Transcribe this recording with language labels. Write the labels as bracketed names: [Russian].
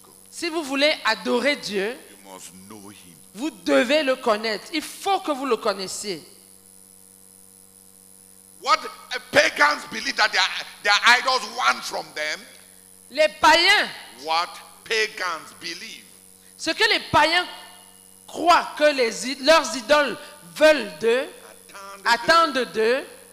[French] Si vous voulez adorer Dieu, vous devez le connaître. Il faut que vous le connaissiez. [English] What pagans believe that their idols want from them? [French] Les païens. [English] What pagans believe? [French] Ce que les païens croient que leurs idoles veulent d'eux, attendent d'eux,